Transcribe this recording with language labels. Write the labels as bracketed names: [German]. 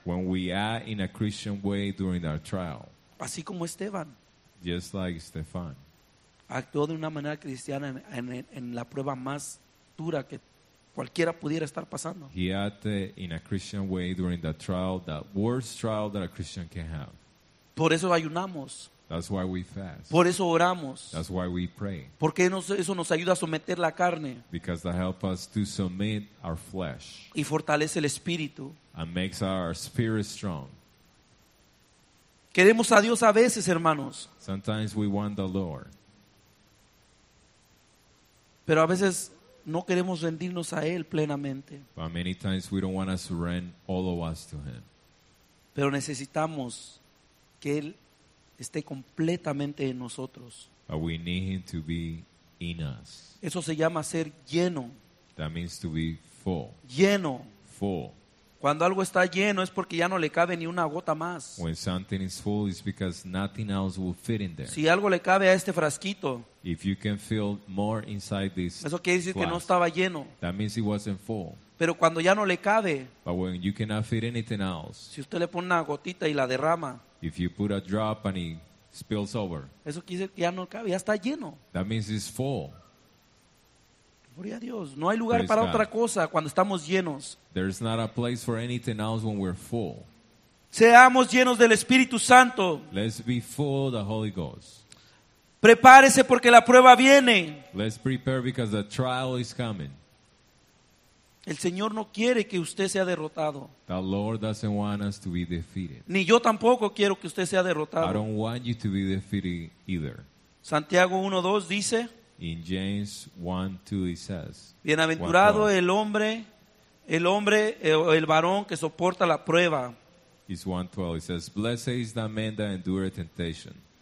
[English] When we are in a Christian way during our trial. [Spanish] Así como Esteban. [English] Just like Stefan. [Spanish] Actuó de una manera cristiana en la prueba más dura que cualquiera pudiera estar pasando. [English] He acted in a Christian way during the trial, the worst trial that a Christian can have. [Spanish] Por eso ayunamos. [English] That's why we fast. [Spanish] Por eso oramos. [English] That's why we pray. [Spanish] Porque eso nos ayuda a someter la carne. [English] Because that helps us to submit our flesh. [Spanish] Y fortalece el espíritu. [English] And makes our spirit strong. [Spanish] Queremos a Dios a veces, hermanos. [English] Sometimes we want the Lord. [Spanish] Pero a veces no queremos rendirnos a Él plenamente. [English] But many times we don't want to surrender all of us to Him. [Spanish] Pero necesitamos que Él esté completamente en nosotros. [English] But we need him to be in us. [Spanish] Eso se llama ser lleno. [English] That means to be full. [Spanish] Lleno. [English] Full. [Spanish] Cuando algo está lleno es porque ya no le cabe ni una gota más. [English] When something is full, it's because nothing else will fit in there. [Spanish] Si algo le cabe a este frasquito. [English] If you can fill more inside this. [Spanish] Eso quiere decir [English] flask, [Spanish] que no estaba lleno. [English] That means it wasn't full. [Spanish] Pero cuando ya no le cabe. [English] But when you cannot fit anything else. [Spanish] Si usted le pone una gotita y la derrama. [English] If you put a drop and it spills over. [Spanish] Eso quiere decir que ya no cabe, ya está lleno. [English] That means it's full. [Spanish] Gloria a Dios. No hay lugar para otra cosa cuando estamos llenos. [English] There's not a place for anything else when we're full. [Spanish] Seamos llenos del Espíritu Santo. [English] Let's be full of the Holy Ghost. [Spanish] Prepárese porque la prueba viene. [English] Let's prepare because the trial is coming. [Spanish] El Señor no quiere que usted sea derrotado. [English] The Lord doesn't want us to be defeated. [Spanish] Ni yo tampoco quiero que usted sea derrotado. [English] I don't want you to be defeated either. [Spanish] Santiago 1:2 dice, [English] in James 1:2 it says, [Spanish] bienaventurado el varón que soporta la prueba. [English] It's 1:12. It says, blessed is the man that endures temptation.